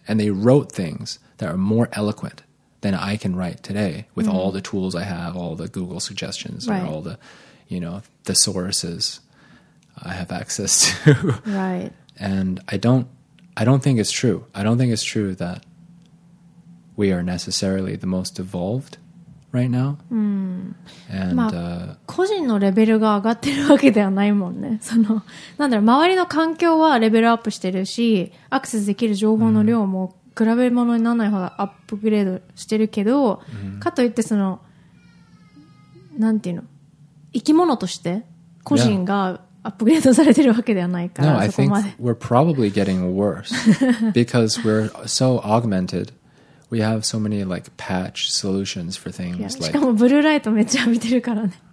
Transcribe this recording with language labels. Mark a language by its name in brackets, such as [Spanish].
[English] And they wrote things that are more eloquent. Than I can write today with all the tools I have, all the Google suggestions, and all the, you know, thesauruses I have access to. Right. And I don't think it's true. I don't think it's true that we are necessarily the most evolved right now. And, まあ、 [Japanese] 個人のレベルが上がってるわけではないもんね。その、なんだろう、周りの環境はレベルアップしてるし、アクセスできる情報の量も、比べ物にならないほどアップグレードしてるけど、かといってそのなんていうの生き物として個人がアップグレードされてるわけではないから、 [English] no, [Japanese] そこまで [English] I think we're probably getting worse because we're so augmented. We have so many like patch solutions for things. [Japanese] しかもブルーライトめっちゃ浴びてるからね。